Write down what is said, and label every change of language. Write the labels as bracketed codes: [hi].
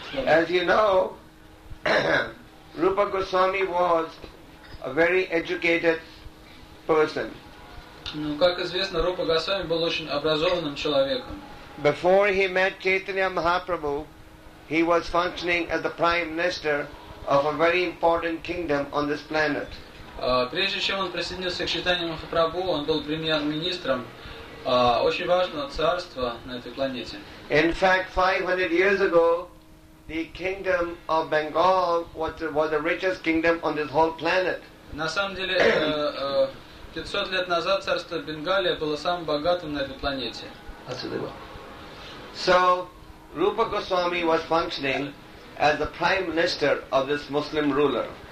[en] As you know, Rupa Goswami was a very educated person. [ru] Ну, как известно, Рупа Госвами был очень образованным человеком. [en] Before he met Chaitanya Mahaprabhu, he was functioning as the prime minister of a very important kingdom on this planet. [ru] Прежде чем он присоединился к Чайтанья Махапрабху, он был премьер-министром очень важного царства на этой планете. [en] In fact, 500 years ago, the kingdom of Bengal was the richest kingdom on this whole planet. [ru] На самом деле, 500 лет назад царство Бенгалия было самым богатым на этой планете. [en] So, Rupa Goswami was functioning as the prime minister of this Muslim ruler.